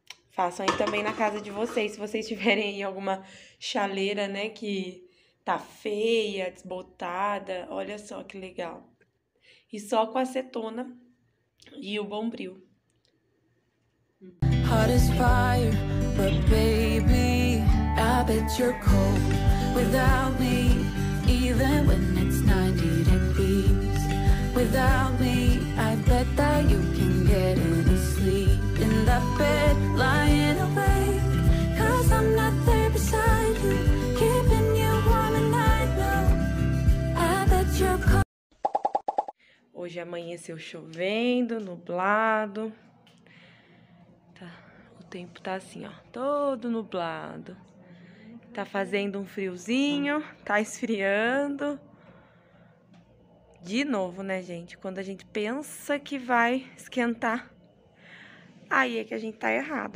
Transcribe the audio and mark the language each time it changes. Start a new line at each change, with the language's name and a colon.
Portuguese: Façam aí também na casa de vocês. Se vocês tiverem aí alguma chaleira, né, que tá feia, desbotada. Olha só que legal. E só com acetona e o bombril.
English: Hot as fire, but baby, I bet you're cold without me. Even when it's 90 degrees, without me, I bet that you can get any sleep in the bed, lying awake, cause I'm not there beside you, keeping you warm at night, no, I bet you're cold.
Portuguese: Hoje amanheceu chovendo, nublado, tá, o tempo tá assim, ó, todo nublado. Tá fazendo um friozinho, tá esfriando. De novo, né, gente? Quando a gente pensa que vai esquentar, aí é que a gente tá errado.